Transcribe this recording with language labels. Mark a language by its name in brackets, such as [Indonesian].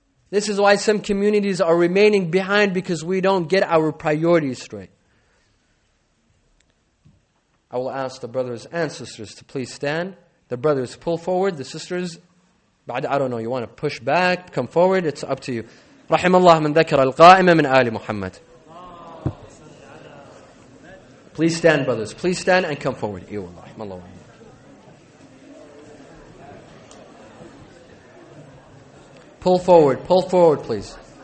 [English] This is why some communities are remaining behind, because we don't get our priorities straight. I will ask the brothers and sisters to please stand. The brothers pull forward. The sisters, I don't know, you want to push back, come forward, it's up to you. [Arabic] رحم الله من ذكر القائمة من آل محمد. [English] Please stand, brothers. Please stand and come forward. Pull forward, please.